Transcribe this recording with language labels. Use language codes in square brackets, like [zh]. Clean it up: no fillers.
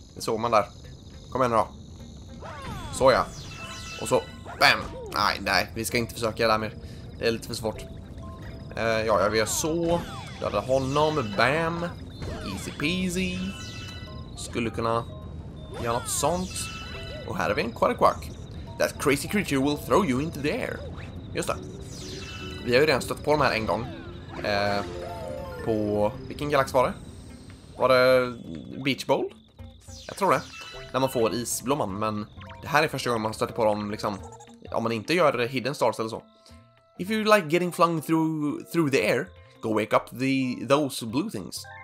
[sv] Det såg man där. Kom igen då. Så ja. Och så... Bam! Nej, vi ska inte försöka det där mer. Det är lite för svårt. Ja, vi gör så. Döda honom. Bam! [en] I easy peasy. [sv] Skulle kunna göra något sånt. Och här har vi en Quarkwark. [en] That crazy creature will throw you into the air. [sv] Just det. Vi har ju redan stött på dem här en gång. På vilken galax var det? Var det Beach Bowl? Jag tror det. När man får isblomman. Men det här är första gången man stöter på dem liksom. Om man inte gör Hidden Stars eller så. [en] If you like getting flung through the air, go wake up those blue things.